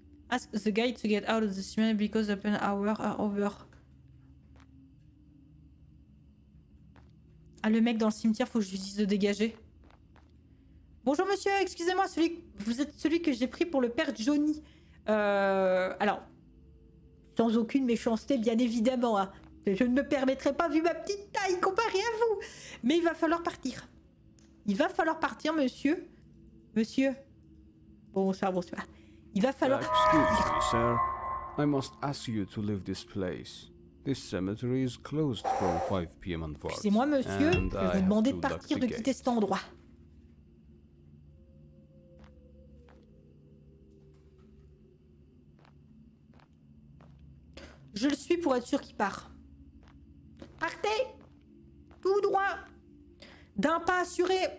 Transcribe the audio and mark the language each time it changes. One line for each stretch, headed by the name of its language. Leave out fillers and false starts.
English: Ask the guide to get out of the cemetery because open hours are over.
French: Ah, le mec dans le cimetière, faut que je lui dise de dégager. Bonjour monsieur, excusez-moi, vous êtes celui que j'ai pris pour le père Johnny. Alors, sans aucune méchanceté, bien évidemment, hein, je ne me permettrai pas vu ma petite taille comparée à vous. Mais il va falloir partir. Il va falloir partir, monsieur. Monsieur. Bonsoir. Il va falloir...
English: Excuse me, sir. I must ask you to leave this place. This cemetery is closed from 5 p.m. onwards.
French: Excusez-moi, monsieur, je vais vous demander de partir, de quitter cet endroit. Je le suis pour être sûr qu'il part. Partez! Tout droit! D'un pas assuré!